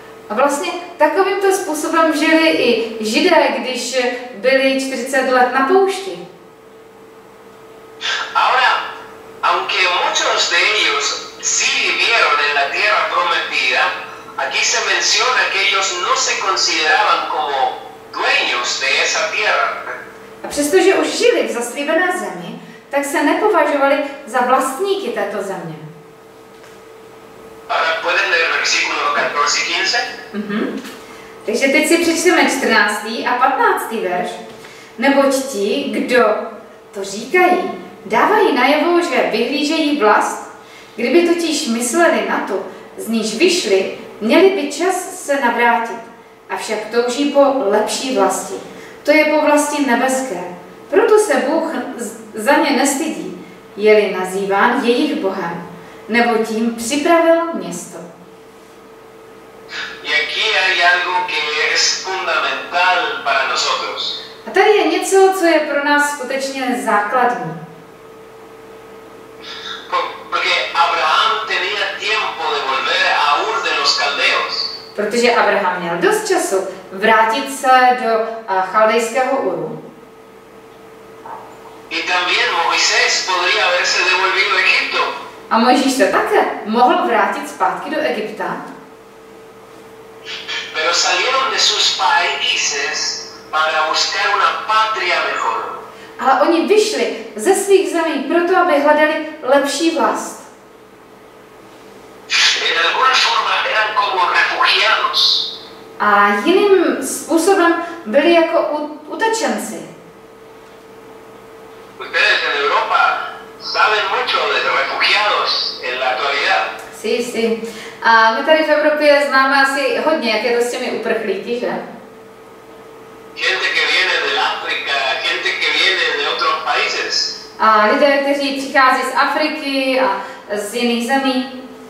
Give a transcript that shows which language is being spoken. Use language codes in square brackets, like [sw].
[cs] A vlastně takovýmto způsobem žili i Židé, když byli 40 let na poušti. [es] Ahora, aunque muchos de ellos sí vivieron en la tierra prometida, aquí se menciona que ellos no se consideraban como dueños de esa tierra. [cs] A přestože už žili v zaslíbené zemi, tak se nepovažovali za vlastníky této země. [es] Ahora pueden leer versículo 14 y 15. [cs] Takže teď si přečteme 14. a 15. verš. Neboť ti, kdo to říkají, dávají najevo, že vyhlížejí vlast. Kdyby totiž mysleli na to, z níž vyšli, měli by čas se navrátit. Avšak touží po lepší vlasti. To je po vlasti nebeské. Proto se Bůh za ně nestydí, je-li nazýván jejich Bohem, nebo tím připravil město. [es] aquí hay algo que es fundamental para nosotros. [cs] A tady je něco, co je pro nás skutečně základní. [es] Porque Abraham tenía tiempo de volver a Ur de los Caldeos. [cs] Protože Abraham měl dost času vrátit se do chaldejského Uru. [es] Y también Moisés podría haberse devuelto a Egipto. [cs] A Mojžíš se také mohl vrátit zpátky do Egypta. [es] Pero salieron de sus países para buscar una patria mejor. [cs] Ale oni vyšli ze svých zemí proto, aby hledali lepší vlast. [es] En alguna forma eran como refugiados. [cs] A jiným způsobem byli jako utečenci. [es] Ustedes en Europa saben mucho de refugiados en la actualidad. Sí, sí. [cs] A my tady v Evropě známe asi hodně, jak je to s těmi uprchlíky, že? [es] Gente que viene de África, gente que viene de otros países. [cs] A lidé, kteří přichází z Afriky a z jiných zemí.